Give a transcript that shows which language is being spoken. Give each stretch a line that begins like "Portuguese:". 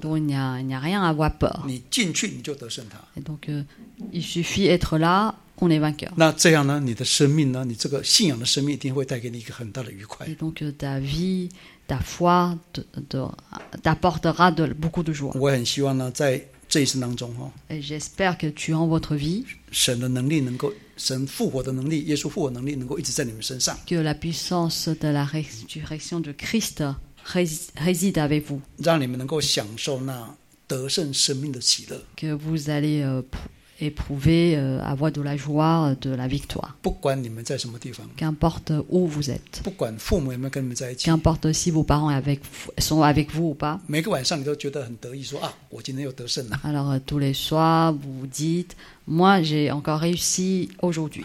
French: Donc, il n'y a rien à avoir peur.
Chinese: 你进去你就得胜它。
French: Et donc, il suffit être là, on est vainqueur.
Chinese: 那这样呢，你的生命呢，你这个信仰的生命一定会带给你一个很大的愉快。
French: Et donc, ta vie, ta foi, t'apportera beaucoup de joie.
Chinese: 我很希望呢，在这一生当中哦。
French: Et j'espère que tu en votre vie.
Chinese: 神的能力能够。神复活的能力，耶稣复活能力能够一直在你们身上。
French: Que la puissance de la résurrection de Christ réside avec vous.
Chinese: 让你们能够享受那得胜生命的喜乐。
French: Que vous allez éprouver avoir de la joie de la victoire.
Chinese: 不管你们在什么地方。
French: Qu'importe où vous êtes.
Chinese: 不管父母有没有跟你们在一起。
French: Qu'importe si vos parents sont avec vous ou pas.
Chinese: 每个晚上你都觉得很得意，说啊，我今天又得胜了。
French: Alors tous les soirs vous dites. Moi, j'ai encore réussi aujourd'hui.